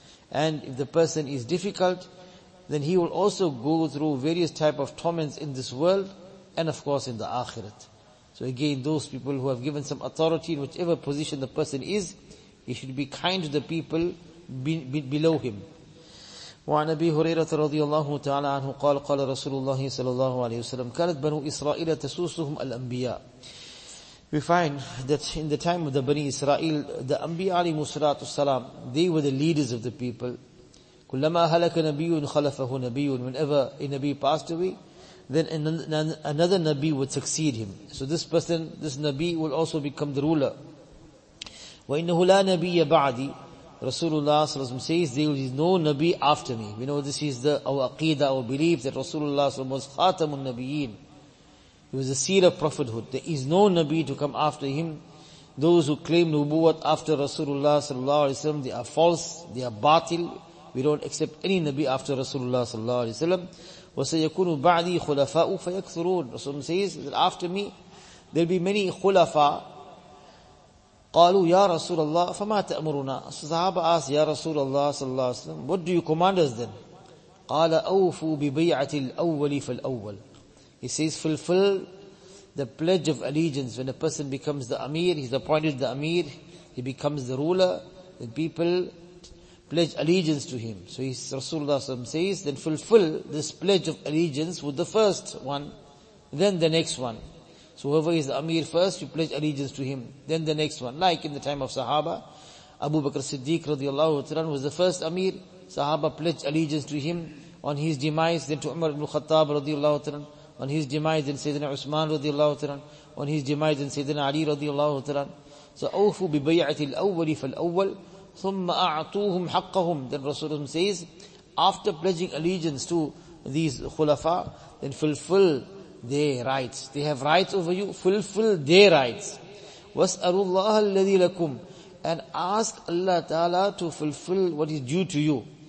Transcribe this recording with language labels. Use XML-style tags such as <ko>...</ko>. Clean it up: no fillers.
<en>And if the person is difficult, then he will also go through various type of torments in this world and of course in the akhirat. So again, those people who have given some authority in whichever position the person is, he should be kind to the people below him.</en> <ar>وعن أبي هريرة رضي الله تعالى عنه قال قال رسول الله صلى الله عليه وسلم كانت بنو إسرائيل تسوسهم الأنبياء.</ar> <en>We find that in the time of the Bani Israel, the Anbiya</en> <ar>عليهم الصلاة والسلام,</ar> <en>they were the leaders of the people.</en> <ar>كلما هلك نبي خلفه نبي.</ar> <en>Whenever a Nabi passed away, then another Nabi would succeed him. So this person, this Nabi will also become the ruler.</en> <ar>وَإِنَّهُ لَا نَبِيَّ بَعْدِي.</ar> <en>Rasulullah sallallahu alayhi wa sallam says, there is no Nabi after me. We know this is our aqidah, our belief, that Rasulullah sallallahu alayhi wa sallam was khatamun nabiyyin. He was the seal of prophethood. There is no Nabi to come after him. Those who claim nubuwat after Rasulullah sallallahu alayhi wa sallam, they are false, they are batil. We don't accept any Nabi after Rasulullah sallallahu alayhi wa sallam.</en> <ar>وَسَيَكُونُ بَعْدِي خُلَفَاءُ فَيَكْثُرُونَ.</ar> <en>Rasulullah says that after me, there'll be many khulafa.</en> <ar>قالوا يا رسول الله فما تأمرنا. الصحابة</ar> <en>asked,</en> <ar>يا رسول الله صلى الله عليه وسلم,</ar> <en>what do you command us then?</en> <ar>قال أوفوا ببيعة الأول فالأول.</ar> <en>He says, fulfill the pledge of allegiance. When a person becomes the Amir, he's appointed the Amir, he becomes the ruler, then people pledge allegiance to him. So he's, Rasulullah</en> <ar>صلى الله عليه وسلم</ar> <en>says, then fulfill this pledge of allegiance with the first one, then the next one. So whoever is the Amir first, you pledge allegiance to him. Then the next one. Like in the time of Sahaba, Abu Bakr Siddiq radiallahu ta'ala was the first Amir. Sahaba pledged allegiance to him on his demise. Then to Umar ibn Khattab radiallahu ta'ala on his demise. Then Sayyidina Uthman radiallahu ta'ala on his demise. Then Sayyidina Ali radiallahu ta'ala. So,</en> <ar>أوفوا ببيعتي الأول فالأول ثم أعطوهم حقهم.</ar> <en>Then Rasulullah says, after pledging allegiance to these khulafa, then fulfill their rights. They have rights over you. Fulfill their rights.</en> <ar>وَاسْأَلُوا اللَّهَ الَّذِي لَكُمْ.</ar> <en>And ask Allah Ta'ala to fulfill what is due to you.</en>